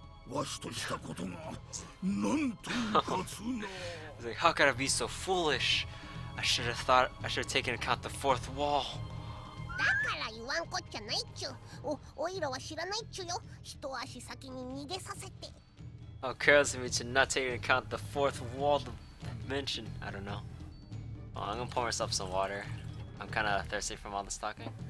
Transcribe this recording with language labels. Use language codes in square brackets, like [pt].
[ja] わしとしたことが、なんと無骨な。 [en] He's like, how could I be so foolish? I should have taken account the fourth wall. [ja] だから言わんこっちゃないっちゅ。おいらは知らないっちゅよ。一足先に逃げさせて。 [en] How careless of me to not take into account the fourth wall dimension. I don't know. Oh, I'm gonna pour myself some water. I'm kind of thirsty from all this talking.